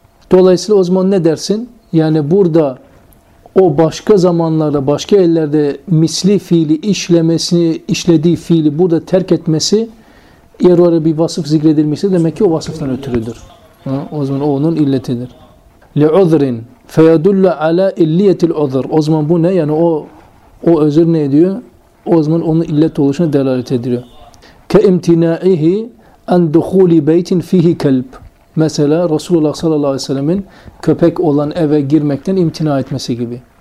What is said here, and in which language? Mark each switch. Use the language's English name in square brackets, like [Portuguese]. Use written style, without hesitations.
[Turkish] Dolayısıyla o zaman ne dersin? Yani burada o başka zamanlarda, başka yerlerde misli fiili işlemesini, işlediği fiili burada terk etmesi, eğer oraya bir vasıf zikredilmişse demek ki o vasıftan ötürüdür. Ha? O zaman o onun illetidir. [Arabic] لِعُذْرٍ فَيَدُلَّ عَلَى اِلِّيَّةِ الْعُذْرِ [Turkish] O zaman bu ne? Yani o özür ne diyor? O zaman onun illet oluşuna delalet ediyor. [Arabic] كَاِمْتِنَائِهِ اَنْ دُخُولِ بَيْتٍ فِيهِ كَلْبٍ [Turkish] Mesela Resulullah sallallahu aleyhi ve sellem'in köpek olan eve girmekten imtina etmesi gibi.